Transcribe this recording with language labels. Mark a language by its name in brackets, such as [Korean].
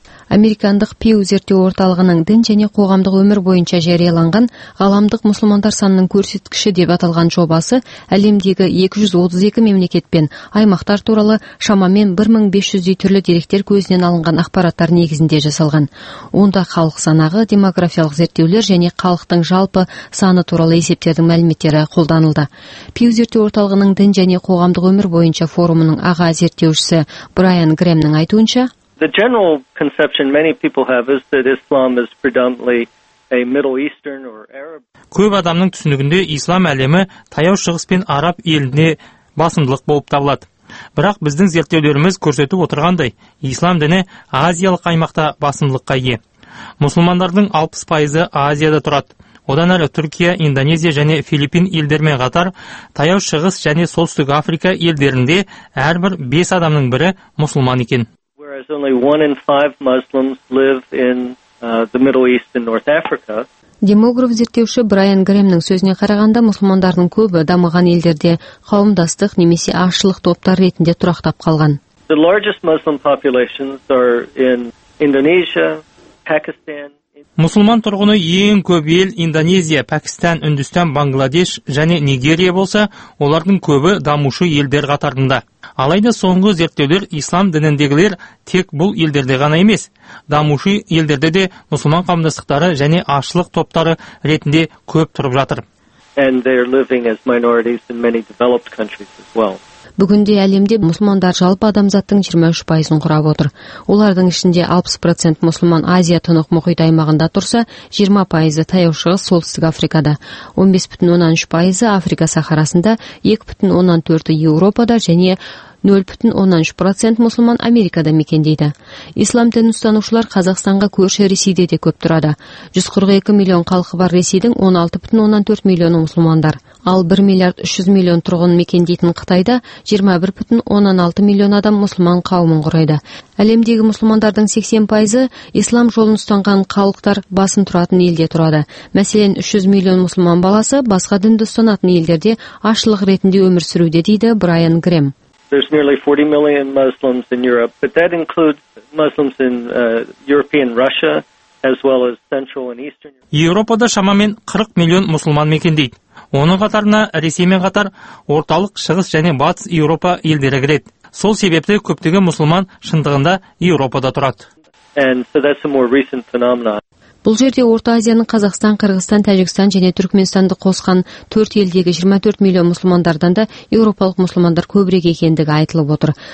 [Kazakh] Американдық Пью зерттеу орталығының дін және қоғамдық өмір бойынша жарияланған ғаламдық мұсылмандар санының көрсеткіші деп аталған жобасы әлемдегі 232 мемлекет пен аймақтар туралы шамамен 1500-дей түрлі деректер көзінен алынған ақпараттар негізінде жасалған. Онда халық санағы, демографиялық зерттеулер және халықтың жалпы саны туралы есептердің мәліметтері қолданылды. Пью зерттеу орталығының дін және қоғамдық өмір бойынша форумының аға зерттеушісі Брайан Грэмнің айтуынша, [English] the general conception many people have is that Islam is predominantly a Middle Eastern or Arab. [Kazakh] Көп адамның түсінігінде ислам әлемі таяу шығыс пен араб еліне басымдылық болып табылады. Бірақ біздің зерттеулеріміз көрсетіп отырғандай, ислам діні азиялық аймақта басымдылыққа ие. Мұсылмандардың 60% Азияда тұрады. Одан әрі Түркия, Индонезия және Филиппин елдерімен қатар таяу шығыс және солтүстік Африка елдерінде әрбір 5 адамның бірі мұсылман екен. [English] Whereas only 1 in 5 Muslims live in the Middle East and North Africa. [Kazakh] Демограф зерттеуші Брайан Грэмнің сөзіне қарағанда, мұсылмандардың көбі дамыған елдерде қауымдастық немесе ашылық топтар ретінде тұрақтап қалған. [English] The largest Muslim populations are in Indonesia, Pakistan. [Kazakh] Мұсылман тұрғыны ең көп ел Индонезия, Пәкістан, Үндістан, Бангладеш және Нигерия болса, олардың көбі дамушы елдер қатарында. Алайда соңғы зерттеулер ислам дініндегілер тек бұл елдерде ғана емес, дамушы елдерде де мұсылман қауымдастықтары және ашылық топтары ретінде көп тұрып жатыр. [English] And they are living as minorities in many developed countries as well. [Kazakh] Бүгінде әлемде мұсылмандар жалпы адамзаттың 23% құрап отыр. Олардың ішінде 60% мұсылман Азия тынық мұхит аймағында тұрса, 20% таяу шығыс солтүстік Африкада, 15.13% Африка Сахарасында, 2.14% Еуропада және 0.13% мұсылман Америкада мекендейді. Ислам дінін ұстанушылар Қазақстанға көрші Ресейде де көп тұрады. 142 миллион халқы бар Ресейдің 16.14 миллион мұсылмандар. Ал 1 миллиард 300 миллион тұрғын мекендейтін Қытайда 21.16 миллион адам мұсылман қауымын құрайды. Әлемдегі мұсылмандардың 80% ислам жолын ұстанған халықтар басым тұратын елде тұрады. Мәселен, 300 миллион мұсылман баласы басқа дінді ұстанатын елдерде ашылық ретінде өмір сүруде, дейді Брайан Грэм. [English] There's nearly 40 million Muslims in Europe, but that includes Muslims in European Russia as well as Central and Eastern Europe. [Kazakh] Еуропада шамамен 40 миллион мұсылман мекендейді. Оның қатарына Ресеймен қатар орталық, шығыс және батыс Еуропа елдері кіреді. Сол себепті көптеген мұсылман шындығында Еуропада тұрады. [English] And so that's a more recent phenomenon. [Kazakh] Бұл жерде Орта Азияның Қазақстан, Қырғызстан, Тәжікстан және Түркменстанды қосқан 4 елдегі 24 миллион мұсылмандардан да еуропалық мұсылмандар көбірек екендігі айтылып отыр.